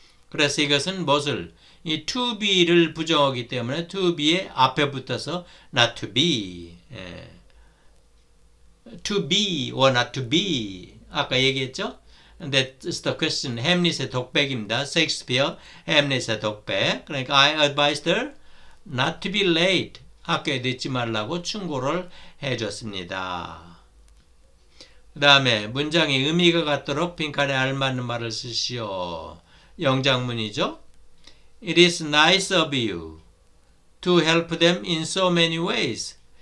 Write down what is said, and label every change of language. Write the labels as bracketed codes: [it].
[ko] 그래서 이것은 무엇을? 이 to be를 부정하기 때문에 to be의 앞에 붙어서 not to be. [en] 예. To be or not to be. [ko] 아까 얘기했죠? [en] That's the question. [ko] 햄릿의 독백입니다. 셰익스피어, 햄릿의 독백. 그러니까 [en] I advised her not to be late. [ko] 학교에 늦지 말라고 충고를 해줬습니다. 그 다음에 문장이 의미가 같도록 빈칸에 알맞는 말을 쓰시오. 영작문이죠. [en] It is nice of you to help them in so many ways.